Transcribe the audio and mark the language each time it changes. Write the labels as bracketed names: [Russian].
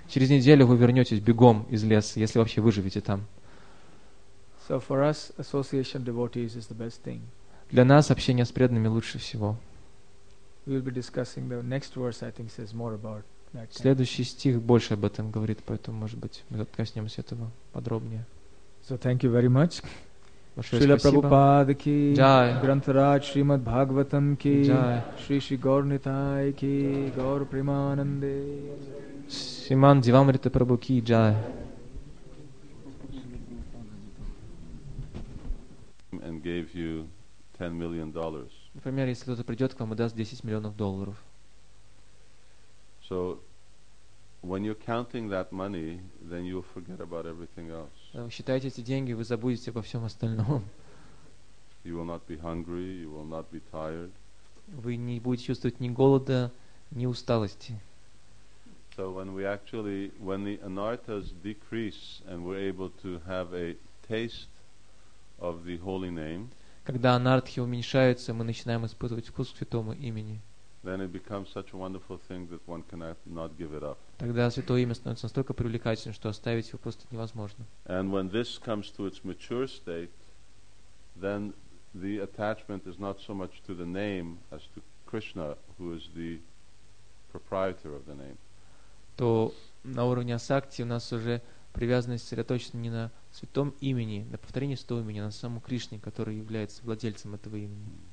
[Russian] Через неделю вы вернетесь бегом из леса, если вообще выживете там. [English] So for us, association devotees is the best thing. [Russian] Для нас общение с преданными лучше всего. [English] We will be discussing the next verse. I think says more about that. [Russian] Следующий стих больше об этом говорит, поэтому, может быть, мы коснемся этого подробнее. [English] So thank you very much. [Russian] Шрила Прабхупада ки, Грантарад Шримад Бхагаватам ки, Шри Шри Гор Нитай ки, Гор Примананде. Симан Дивамрита Прабху ки, джай. [English] And gave you $10 million. [Russian] Например, если кто-то придет к вам и даст 10 миллионов долларов. [English] So, when you're counting that money, then you'll forget about everything else. [Russian] Считайте эти деньги, вы забудете обо всем остальном. [English] You will not be hungry, you will not be tired. [Russian] Вы не будете чувствовать ни голода, ни усталости. [English] So when we actually, when the anarthas decrease and we're able to have a taste of the holy name. [Russian] Когда анартхи уменьшаются, мы начинаем испытывать вкус к святому имени. [English] Then it becomes such a wonderful thing that one cannot not give it up. [Russian] Тогда святое имя становится настолько привлекательным, что оставить его просто невозможно. [English] And when this comes to its mature state, then the attachment is not so much to the name as to Krishna, who is the proprietor of the name. [Russian] То на уровне асакти у нас уже привязанность сосредоточена не на святом имени, на повторении святого имени, а на саму Кришне, который является владельцем этого имени.